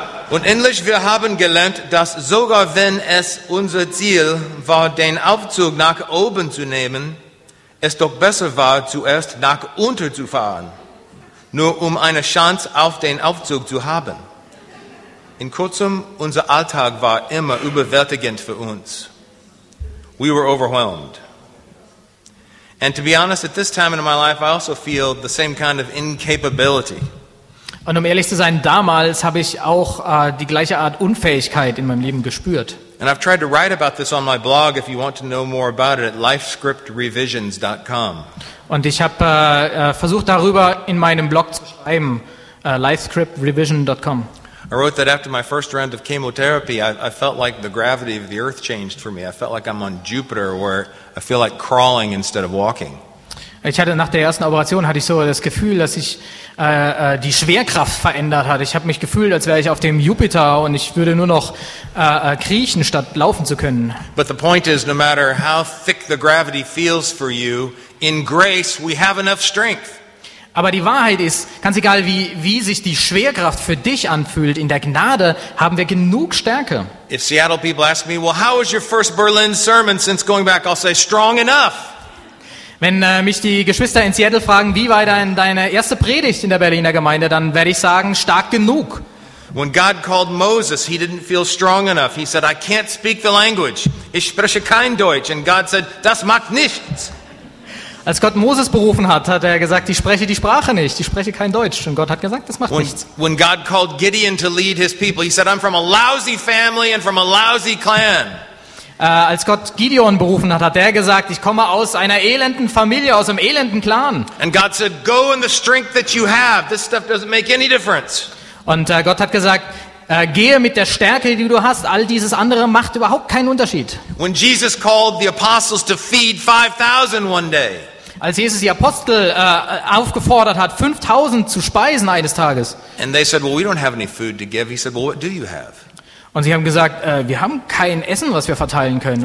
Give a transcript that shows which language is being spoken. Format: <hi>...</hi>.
<de>Und endlich, wir haben gelernt, dass sogar wenn es unser Ziel war, den Aufzug nach oben zu nehmen, es doch besser war, zuerst nach unten zu fahren, nur um eine Chance auf den Aufzug zu haben. In kurzem, unser Alltag war immer überwältigend für uns.</de> <en>We were overwhelmed. And to be honest, at this time in my life, I also feel the same kind of incapability.</en> <de>Und um ehrlich zu sein, damals habe ich auch die gleiche Art Unfähigkeit in meinem Leben gespürt.</de> <en>And I've tried to write about this on my blog if you want to know more about it at lifescriptrevisions.com.</en> <de>Und ich habe versucht darüber in meinem Blog zu schreiben, lifescriptrevision.com.</de> <en>I wrote that after my first round of chemotherapy, I felt like the gravity of the earth changed for me. I felt like I'm on Jupiter, where I feel like crawling instead of walking.</en> <de>Ich hatte nach der ersten Operation hatte ich so das Gefühl, dass ich die Schwerkraft verändert hat. Ich habe mich gefühlt, als wäre ich auf dem Jupiter und ich würde nur noch kriechen, statt laufen zu können.</de> <en>But the point is, no matter how thick the gravity feels for you, in grace we have enough strength.</en> <de>Aber die Wahrheit ist, ganz egal wie sich die Schwerkraft für dich anfühlt, in der Gnade haben wir genug Stärke.</de> <en>If Seattle people ask me, well, how was your first Berlin sermon since going back? I'll say, strong enough.</en> <de>Wenn mich die Geschwister in Seattle fragen, wie war deine erste Predigt in der Berliner Gemeinde, dann werde ich sagen, stark genug.</de> <en>When God called Moses, he didn't feel strong enough. He said, I can't speak the language.</en> <de>Ich spreche kein Deutsch.</de> <en>And God said,</en> <de>das macht nichts. Als Gott Moses berufen hat, hat er gesagt, ich spreche die Sprache nicht, ich spreche kein Deutsch. Und Gott hat gesagt, das macht nichts.</de> <en>When God called Gideon to lead his people, he said, I'm from a lousy family and from a lousy clan.</en> <de>Als Gott Gideon berufen hat, hat er gesagt, ich komme aus einer elenden Familie, aus einem elenden Clan.</de> <en>And God said, go in the strength that you have. This stuff doesn't make any difference.</en> <de>Und Gott hat gesagt, gehe mit der Stärke, die du hast. All dieses andere macht überhaupt keinen Unterschied.</de> <en>When Jesus called the apostles to feed 5,000 one day.</en> <de>Als Jesus die Apostel aufgefordert hat, 5,000 zu speisen eines Tages.</de> <en>And they said, well, we don't have any food to give. He said, well, what do you have?</en> <de>Und sie haben gesagt, wir haben kein Essen, was wir verteilen können.</de>